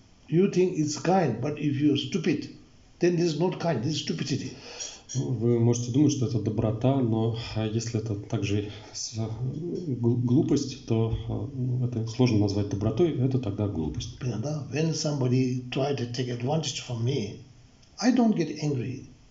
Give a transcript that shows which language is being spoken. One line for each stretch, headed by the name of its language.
English: You think it's kind, but if you're stupid, then this is not kind, this is stupidity.
Russian: Вы можете думать, что это доброта, но если это также глупость, то это сложно назвать добротой, это тогда глупость. Понятно, да?
English: When somebody tried to take advantage from me, I don't get angry.